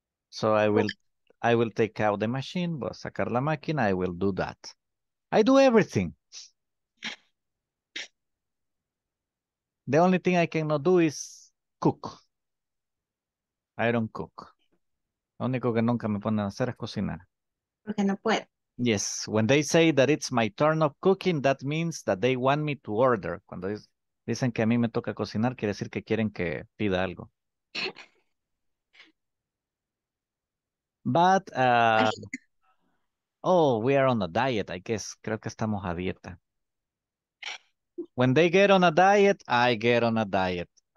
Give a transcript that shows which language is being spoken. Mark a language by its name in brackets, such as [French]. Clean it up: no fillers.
[English] So I will take out the machine, [Spanish] voy a sacar la máquina, [English] I will do that. I do everything. The only thing I cannot do is cook. I don't cook. [Spanish] Lo único que nunca me ponen a hacer es cocinar. Porque no puede. [English] Yes, when they say that it's my turn of cooking, that means that they want me to order. [Spanish] Cuando dicen que a mí me toca cocinar, quiere decir que quieren que pida algo. [English] But, oh, we are on a diet, I guess. [Spanish] Creo que estamos a dieta. [English] When they get on a diet, I get on a diet.